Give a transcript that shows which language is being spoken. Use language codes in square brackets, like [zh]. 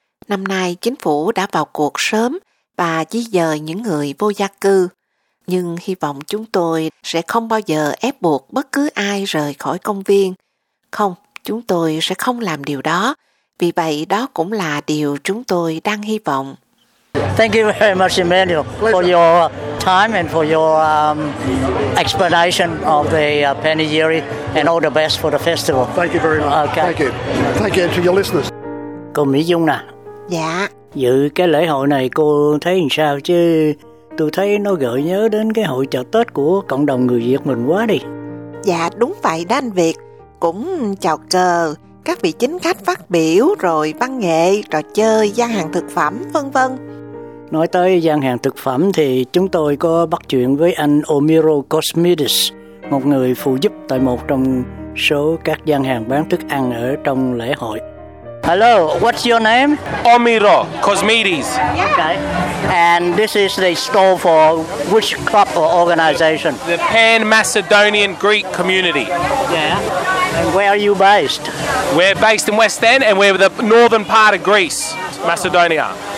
[vi] Năm nay, chính phủ đã vào cuộc sớm và di dời những người vô gia cư. Nhưng hy vọng chúng tôi sẽ không bao giờ ép buộc bất cứ ai rời khỏi công viên. Không, chúng tôi sẽ không làm điều đó. Vì vậy, đó cũng là điều chúng tôi đang hy vọng. [en] Thank you very much, Emmanuel, for your time and for your explanation of the Panigiri and all the best for the festival. Thank you very much. Okay. Thank you. Thank you to your listeners. [vi] Cô Mỹ Dung nè. Dạ. Dự cái lễ hội này cô thấy làm sao chứ? Tôi thấy nó gợi nhớ đến cái hội chợ Tết của cộng đồng người Việt mình quá đi. Dạ, đúng vậy đó anh Việt. Cũng chào cờ, các vị chính khách phát biểu, rồi văn nghệ, trò chơi, gian hàng thực phẩm, vân vân. Nói tới gian hàng thực phẩm thì chúng tôi có bắt chuyện với anh Omiro Cosmidis, một người phụ giúp tại một trong số các gian hàng bán thức ăn ở trong lễ hội. [en] Hello, what's your name? Omiro Cosmidis. Yeah. Okay. And this is the store for which club or organization? The Pan Macedonian Greek Community. Yeah. And where are you based? We're based in West End and we're the northern part of Greece, Macedonia.